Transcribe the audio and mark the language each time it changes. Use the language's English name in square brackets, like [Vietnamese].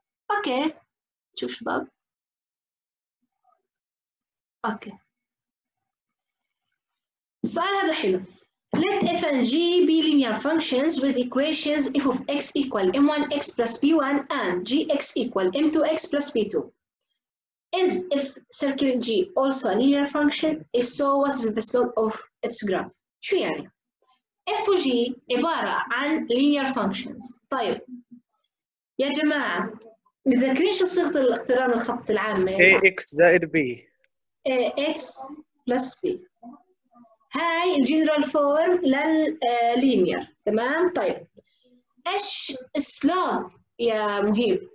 [Arabic] أوكي شوف شو ضل أوكي السؤال هذا حلو [English] Let f and g be linear functions with equations f of x equal m1x plus b1 and gx equal m2x plus b2. Is f circle g also a linear function? If so, what is the slope of its graph? [Arabic] شو يعني؟ f و g عبارة عن linear functions. طيب يا جماعة متذكرين شو صيغة الاقتران الخط العامة؟ ax زائد b. [English] ax plus b. [Arabic] هاي الجنرال فورم لللينير تمام طيب ايش السلوب يا مهيب